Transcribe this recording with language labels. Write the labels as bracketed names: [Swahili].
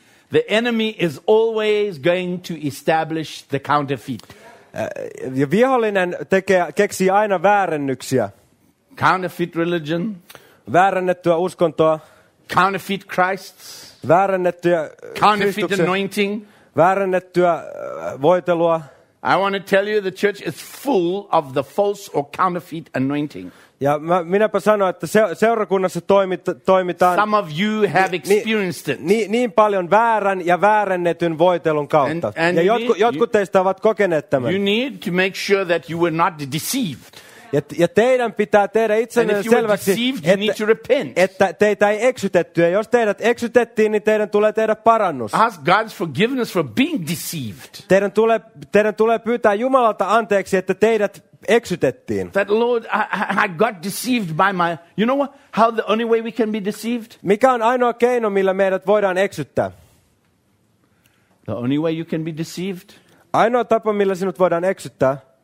[English] The enemy is always going to establish the counterfeit. [Finnish] Ja vihollinen keksii aina väärennyksiä. [English] Counterfeit religion. [Finnish] Väärennettyä uskontoa. [English] Counterfeit Christs. [Finnish] Väärennettyä [English] counterfeit anointing. [Finnish] Väärennettyä voitelua. [English] I want to tell you the church is full of the false or counterfeit anointing. [Finnish] Ja minäpä sanon, että seurakunnassa toimitaan [English] some of you have experienced it. [Finnish] Niin paljon väärän ja väärennetyn voitelun kautta. [English] And [Finnish] ja jotkut teistä ovat kokeneet tämän. [English] You need to make sure that you were not deceived. [Finnish] Ja teidän pitää tehdä itsenne selväksi, että teitä ei eksytetty. Ja jos teidät eksytettiin, niin teidän tulee tehdä parannus. [English] Ask God's forgiveness for being deceived. [Finnish] Teidän tulee pyytää Jumalalta anteeksi, että teidät eksytettiin. [English] That Lord, I got deceived by my. You know what? How the only way we can be deceived? [Finnish] Mikä on ainoa keino, millä meidät voidaan eksyttää? [English] The only way you can be deceived? [Finnish] Ainoa tapa, millä sinut voidaan eksyttää.